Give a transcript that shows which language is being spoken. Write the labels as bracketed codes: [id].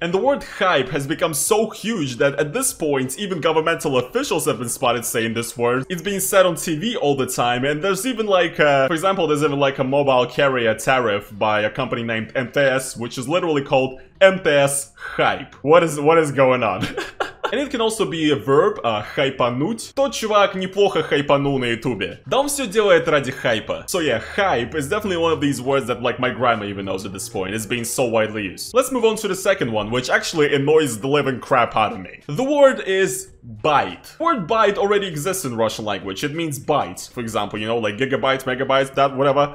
[en] And the word hype has become so huge that at this point even governmental officials have been spotted saying this word. It's being said on TV all the time, and there's even like, for example, there's even like a mobile carrier tariff by a company named MTS, which is literally called MTS Hype. What is going on? And it can also be a verb, хайпануть. [ru] Тот чувак неплохо хайпанул на ютубе. Да он все делает ради хайпа. [en] So yeah, hype is definitely one of these words that like my grandma even knows at this point. It's been so widely used. Let's move on to the second one, which actually annoys the living crap out of me. The word is bite. The word bite already exists in Russian language. It means bite, for example, you know, like gigabytes, megabytes, that, whatever.